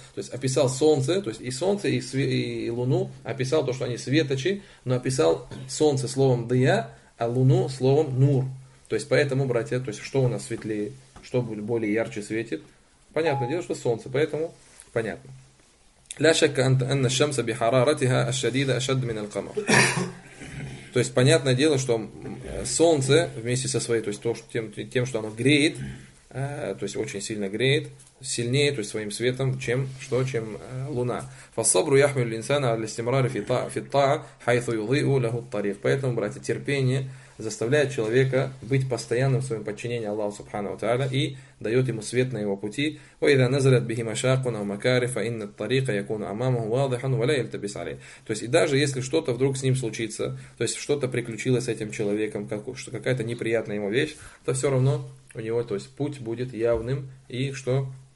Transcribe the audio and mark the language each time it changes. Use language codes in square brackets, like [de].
[ru] То есть описал солнце, то есть и солнце, и луну, описал то, что они светочи, но описал солнце словом дия, а луну словом нур. То есть поэтому, братья, то есть что у нас светлее, что будет более ярче светит? Понятное дело, что солнце, поэтому понятно. [ar] لا شك أن الشمس بحرارتها الشديدة أشد من القمر. [ru] То есть понятное дело, что солнце вместе со своей, то есть то, что тем, что оно греет, то есть очень сильно греет, сильнее, то есть своим светом, чем что, чем луна. [ar] فالصبر يحمل الإنسان على الاستمرار في الطاعة حيث يضيء له الطريق. [ru] Поэтому, братья, терпение заставляет человека быть постоянным в своем подчинении Аллаху Субхану ва Тааля и дает ему свет на его пути. [ar] وَإِذَا نَزَلَتْ بِهِ مَشَاقٌ أَوْ مَكَارِ فَإِنَّ الطَّرِيقَ يَكُونُ أَمَامَهُ وَاضِحًا وَلَا يَلْتَبِسْ عَلَيْهِ. [ru] То есть, и даже если что-то вдруг с ним случится, то есть что-то приключилось с этим человеком, какая-то неприятная ему вещь, то все равно у него, то есть, путь будет явным, и что?